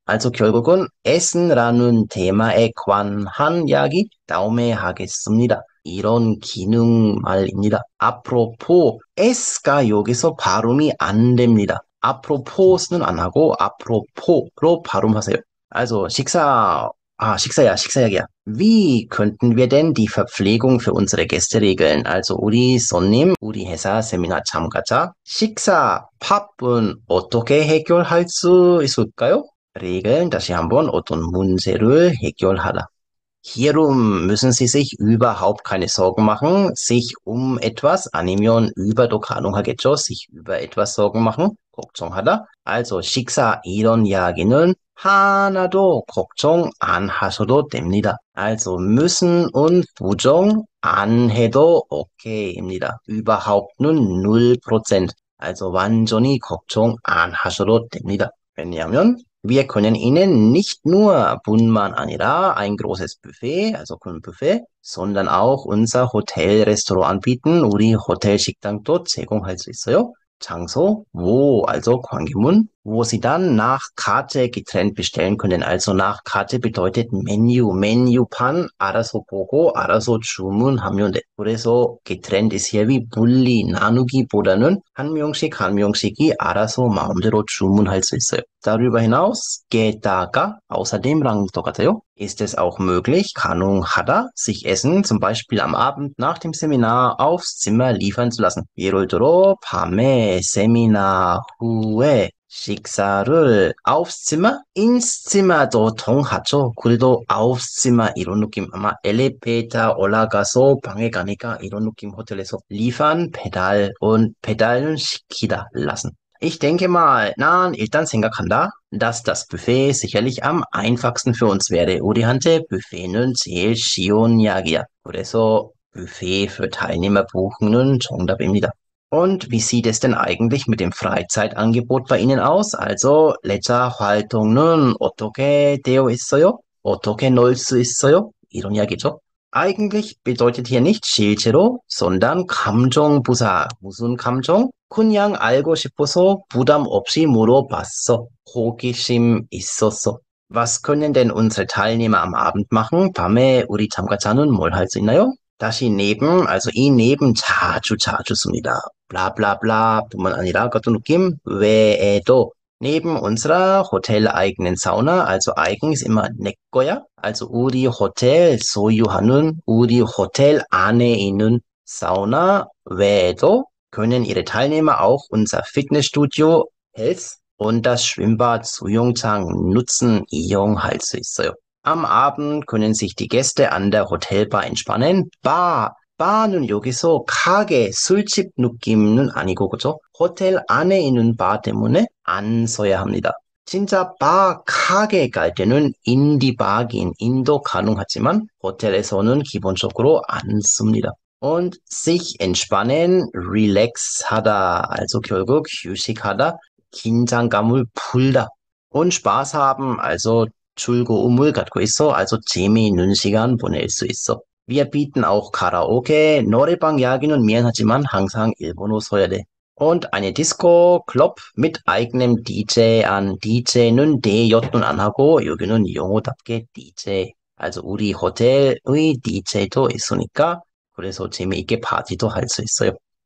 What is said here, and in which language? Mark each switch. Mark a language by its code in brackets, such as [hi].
[ko] Also, 결국은, Essen라는 테마에 관한 이야기, 다음에 하겠습니다. 이런 기능 말입니다. Apropos, S가 여기서 발음이 안 됩니다. Apropos는 안 하고, Apropos로 발음하세요. Also, 식사. 아, 식사야, 식사 이야기야. [de] Wie könnten wir denn die Verpflegung für unsere Gäste regeln? [ko] Also, 우리 손님, 우리 회사 세미나 참가자, 식사, 밥은 어떻게 해결할 수 있을까요? 리글, 다시 한번 어떤 문제를 해결하다. [de] Hierum müssen Sie sich überhaupt keine Sorgen machen. Sich um etwas, [ko] 아니면 [de] über도 [ko] 가능하겠죠? [de] Sich über etwas Sorgen machen, [ko] 걱정하다. Also, 식사, 이런 이야기는 하나도 걱정 안 하셔도 됩니다. Also [de] müssen und [ko] 부정 안 해도 okay입니다. Überhaupt는 0%. Also 완전히 걱정 안 하셔도 됩니다. 왜냐하면 [de] wir können Ihnen nicht nur bunman [ko] 아니라 [de] ein großes Buffet, also 큰 Buffet, sondern auch unser Hotel Restaurant bieten. [ko] 우리 호텔 식당도 제공할 수 있어요. 장소, 뭐, [de] also 관계문, wo Sie dann nach Karte getrennt bestellen können. Also nach Karte bedeutet Menü, Menüpan, [ko] 알아서 보고, 알아서 주문하면 돼. 그래서 [de] getrennt ist hier wie [ko] 분리, 나누기보다는 한 명씩이 알아서 마음대로 주문할 수 있어요. [de] Darüber hinaus, [ko] 게다가, [de] außerdem랑 똑같아요. Ist es auch möglich, [ko] 가능하다, [de] sich Essen zum Beispiel am Abend nach dem Seminar aufs Zimmer liefern zu lassen? [ko] 예를 들어, 밤에 세미나 후에 식사를 aufs Zimmer? [de] Ins Zimmer도 통하죠. [ko] 그래도 aufs Zimmer 이런 느낌. 아마 엘리베이터 올라가서 방에 가니까 이런 느낌 호텔에서 [de] liefern, pedal und pedalen [ko] 시키다, lassen. [de] Ich denke mal, nein, ich dann denke, dass das Buffet sicherlich am einfachsten für uns wäre. [ko] 우리한테 Buffet는 제일 쉬운 이야기야. [de] 그래서 Buffet für Teilnehmer buchen은 [ko] 정답입니다. [de] Und wie sieht es denn eigentlich mit dem Freizeitangebot bei Ihnen aus? [ko] Also, 레저 활동은 어떻게 되어 있어요? 어떻게 놀수 있어요? 이런 이야기죠. [de] Eigentlich bedeutet hier nicht [ko] 실제로, [de] sondern 감정부사. [ko] 무슨 감정? 그냥 알고 싶어서 부담 없이 물어봤어. 호기심 있었어. [de] Was können denn unsere Teilnehmer am Abend machen? [ko] 밤에 우리 참가자는 뭘할수 있나요? 다시 neben, also i neben 자주 자주 씁니다. 블라블라블라 뿐만 아니라 같은 느낌 외에도 [de] neben unserer Hotel eigenen Sauna, also eigen ist immer 내 거야. Also [ko] 우리 호텔 소유하는 우리 호텔 안에 있는 사우나 외에도 [de] können Ihre Teilnehmer auch unser Fitnessstudio, Health und das Schwimmbad, Suyongchang nutzen, [ko] 이용할 수 있어요. [de] Am Abend können sich die Gäste an der Hotelbar entspannen. Bar [ko] 바는 여기서 가게 술집 느낌은 아니고 그죠? 호텔 안에 있는 바 때문에 안 써야 합니다. 진짜 바 가게 갈 때는 인디박인 인도 가능하지만 호텔에서는 기본적으로 안 씁니다. [de] Und sich entspannen, relax 하다. [ko] Also 결국 휴식하다, 긴장감을 풀다. [de] Und Spaß haben, also [ko] 즐거움을 갖고 있어. Also 재미있는 시간 보낼 수 있어. [de] Wir bieten auch Karaoke, [ko] 노래방 이야기는 미안하지만 항상 일본어 써야 돼. [de] Und eine Disco, Club mit eigenem DJ an. [ko] DJ는 DJ는 안 하고 여기는 영어답게 DJ. Also 우리 호텔의 DJ도 있으니까 그래서 재미있게 파티도 할수 있어요.